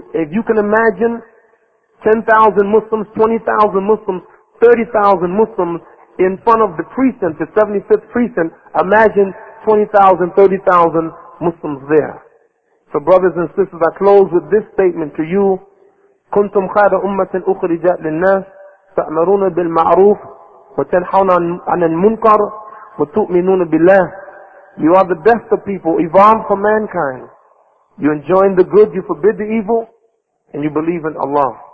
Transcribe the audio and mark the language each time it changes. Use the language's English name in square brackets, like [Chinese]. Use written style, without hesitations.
[English] If you can imagine, 10,000 Muslims, 20,000 Muslims, 30,000 Muslims in front of the precinct, the 75th precinct, imagine 20,000, 30,000 Muslims there. So brothers and sisters, I close with this statement to you. [Arabic] كنتم خير أمة أخرجت للناس تأمرون بالمعروف وتنحون عن المنكر وتؤمنون بالله. [English] You are the best of people, evolved for mankind. You enjoin the good, you forbid the evil, and you believe in Allah.